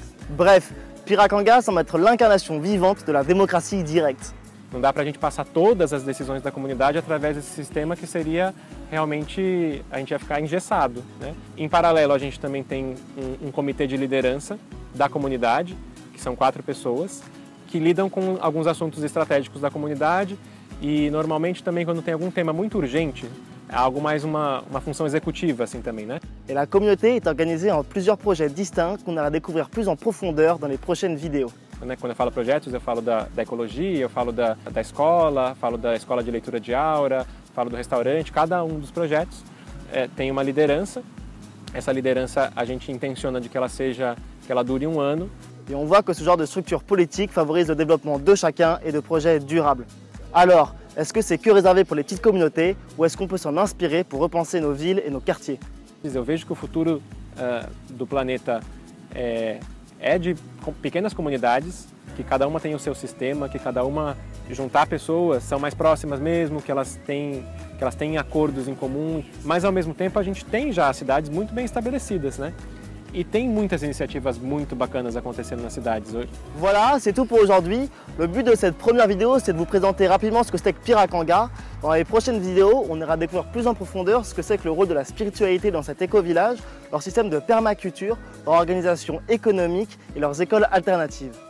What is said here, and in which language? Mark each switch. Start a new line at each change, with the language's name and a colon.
French: Bref, Piracanga semble être l'incarnation vivante de la démocratie directe.
Portuguese: Não dá para a gente passar todas as decisões da comunidade através desse sistema, que seria realmente, a gente ia ficar engessado, né? Em paralelo, a gente também tem um comitê de liderança da comunidade, são 4 pessoas que lidam com alguns assuntos estratégicos da comunidade e normalmente também quando tem algum tema muito urgente, é algo mais uma função executiva assim também, né?
French: Et la communauté est organisée en plusieurs projets distincts qu'on ira découvrir plus en profondeur dans les prochaines vidéos.
Portuguese: Quando eu falo projetos, eu falo da ecologia, eu falo da escola, falo da escola de leitura de aura, falo do restaurante, cada um dos projetos tem uma liderança. Essa liderança a gente intenciona de que ela seja, que ela dure um ano.
French: Et on voit que ce genre de structure politique favorise le développement de chacun et de projets durables. Alors, est-ce que c'est que réservé pour les petites communautés ou est-ce qu'on peut s'en inspirer pour repenser nos villes et nos quartiers? Je vois que le futur du planète est de petites communautés, que chacun ait son système, que chacun junte les personnes, qu'elles soient plus proches, qu'elles aient des accords en commun. Mais en même temps, on a déjà des villes très bien établies.
Portuguese: E tem muitas iniciativas muito bacanas acontecendo nas cidades hoje.
French: Voilà, c'est tout pour aujourd'hui. Le but de cette première vidéo, c'est de vous présenter rapidement ce que c'est que Piracanga. Dans les prochaines vidéos, on ira découvrir plus en profondeur ce que c'est que le rôle de la spiritualité dans cet éco-village, leur système de permaculture, leur organisation économique et leurs écoles alternatives.